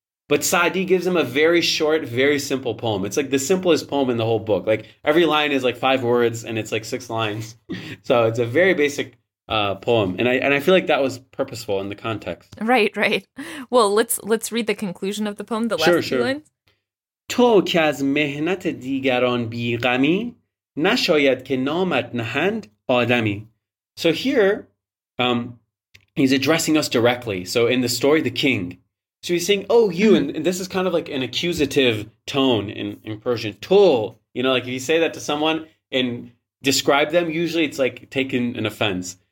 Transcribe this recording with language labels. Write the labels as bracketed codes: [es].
[en] But Saadi gives him a very short, very simple poem. It's like the simplest poem in the whole book. Like every line is like five words and it's like six lines. So it's a very basic poem. And I feel like that was purposeful in the context. Right, right. Well, let's read the conclusion of the poem, the last few lines. [fa] تو که از مهنت دیگران بیغمی نشاید که نامت نهند آدمی. [en] So here, he's addressing us directly. So in the story, the king. So he's saying, oh, you, and this is kind of like an accusative tone in Persian. تو, you know, like if you say that to someone and describe them, usually it's like taking an offense.